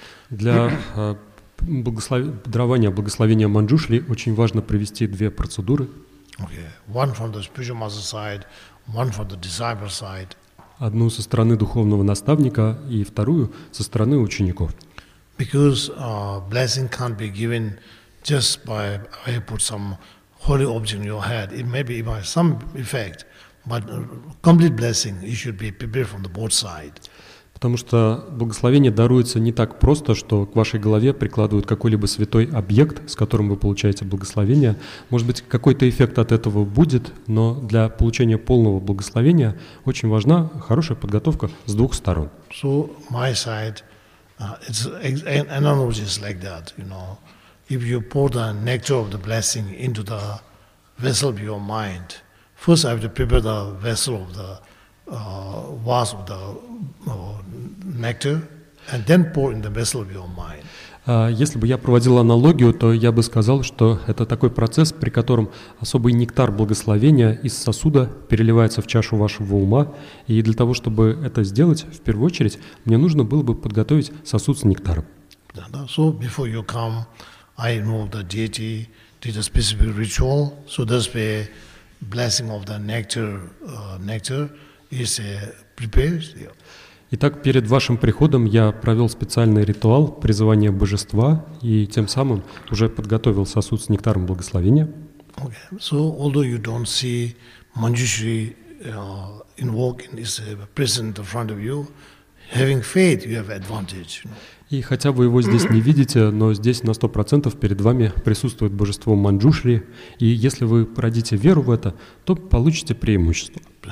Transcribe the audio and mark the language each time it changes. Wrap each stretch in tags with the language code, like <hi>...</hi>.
<ru>Для дарования благословения Манджушри очень важно провести две процедуры.</ru> <en>Okay, one from the spiritual master side, one from the disciple side.</en> <ru>Одну со стороны духовного наставника и вторую со стороны учеников.</ru> <en>Because blessing can't be given just by I put some holy object in your head. It may be by some effect, but complete blessing it should be prepared from the both side.</en> <ru>Потому что благословение даруется не так просто, что к вашей голове прикладывают какой-либо святой объект, с которым вы получаете благословение. Может быть, какой-то эффект от этого будет, но для получения полного благословения очень важна хорошая подготовка с двух сторон.</ru> <en>So my side, it's an analogy is like that, you know, if you pour the nectar of the blessing into the vessel of your mind, first I have to prepare the vessel of the vase of the nectar, and then pour in the vessel of your mind.</en> <ru>Если бы я проводил аналогию, то я бы сказал, что это такой процесс, при котором особый нектар благословения из сосуда переливается в чашу вашего ума. И для того, чтобы это сделать, в первую очередь, мне нужно было бы подготовить сосуд с нектаром.</ru> <en>So before you come, I know the deity did a specific ritual, so that's the blessing of the nectar is prepared.</en> <ru>Итак, перед вашим приходом я провел специальный ритуал призывания божества и тем самым уже подготовил сосуд с нектаром благословения.</ru> <en>Okay. So, although you don't see Manjushri invoked in his presence in front of you, having faith, you have advantage.</en> <ru>И хотя вы его здесь не видите, но здесь на 100% перед вами присутствует божество Манджушри, и если вы породите веру в это, то получите преимущество.</ru>